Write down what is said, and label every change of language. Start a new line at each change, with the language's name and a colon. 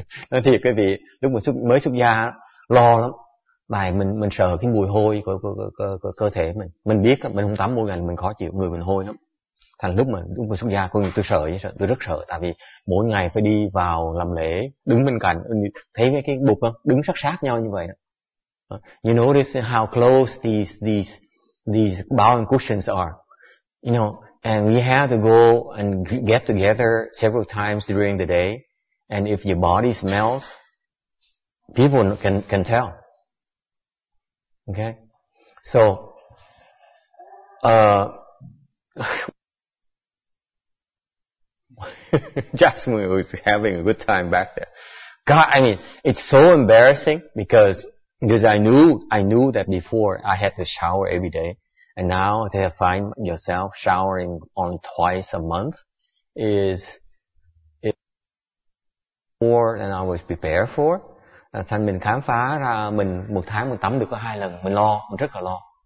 Vietnamese: Nói thiệt quý vị, lúc mới xuất gia lo lắm. Tại mình sợ cái mùi hôi của cơ thể mình. Mình biết mình không tắm mỗi ngày mình khó chịu, người mình hôi lắm. Thành lúc mà xuất gia, tôi rất sợ, tại vì mỗi ngày phải đi vào làm lễ, đứng bên cạnh, thấy cái bục không? Đứng sát nhau như vậy đó.
English: You notice how close these bowing cushions are, you know, and we have to go and get together several times during the day, and if your body smells, people can tell. Okay, so Jasmine was having a good time back there. God, I mean, it's so embarrassing because I knew that before I had to shower every day, and now to find yourself showering only twice a month is more than I was prepared for.
Vietnamese: Thành mình khám phá ra mình một tháng mình tắm được có hai lần, mình lo, mình rất là lo.